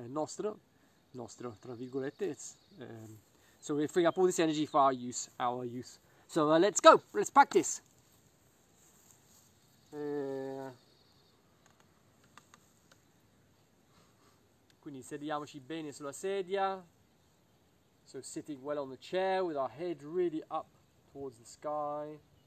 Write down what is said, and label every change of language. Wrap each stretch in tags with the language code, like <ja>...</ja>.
<it>È nostro, tra virgolette.</it> <en>So we're freeing up all this energy for our use. So let's go, let's practice.</en> <it>Quindi sediamoci bene sulla sedia.</it> <en>So sitting well on the chair with our head really up towards the sky.</en>